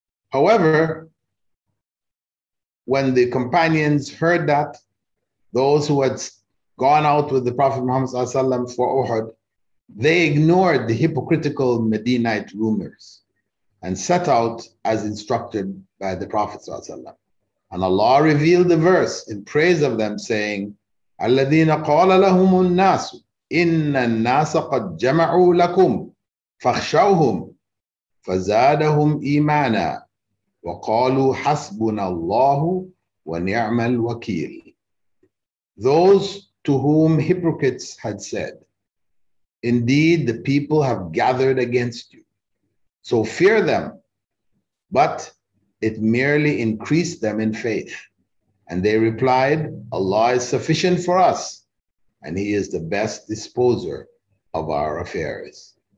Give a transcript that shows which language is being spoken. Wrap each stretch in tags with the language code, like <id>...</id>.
<en>However, when the companions heard that, those who had gone out with the Prophet Muhammad for Uhud, they ignored the hypocritical Medinite rumors and set out as instructed by the Prophet ﷺ. And Allah revealed the verse in praise of them, saying,</en> <ar>أَلَّذِينَ قَالَ لَهُمُ النَّاسُ إِنَّ النَّاسَ قَدْ جَمَعُوا لَكُمْ فَخْشَوْهُمْ فَزَادَهُمْ إِيمَانًا وَقَالُوا حَسْبُنَا اللَّهُ وَنِعْمَ الْوَكِيلِ.</ar> <en>Those to whom hypocrites had said, indeed the people have gathered against you, so fear them, but it merely increased them in faith. And they replied, Allah is sufficient for us, and he is the best disposer of our affairs.</en>